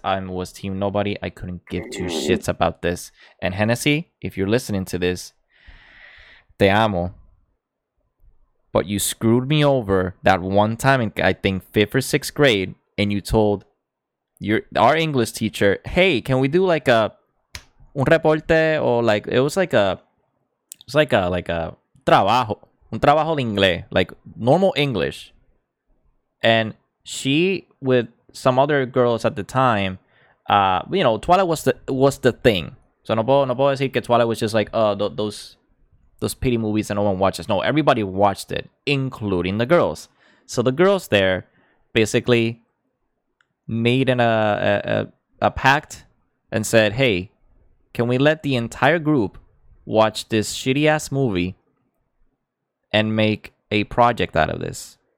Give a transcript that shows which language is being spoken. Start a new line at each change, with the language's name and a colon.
English: I was team nobody. I couldn't give two shits about this. And Hennessy, if you're listening to this,
Spanish: te amo.
English: But you screwed me over that one time in, I think, fifth or sixth grade. And you told our English teacher, hey, can we do like a...
Spanish: un reporte,
English: or like, it was like a trabajo,
Spanish: un trabajo de inglés,
English: like normal English. And she, with some other girls at the time, you know, Twilight was the thing. So
Spanish: no puedo decir que
English: Twilight was just like, those pity movies that no one watches. No, everybody watched it, including the girls. So the girls there basically made a pact and said, hey, can we let the entire group watch this shitty ass movie and make a project out of this?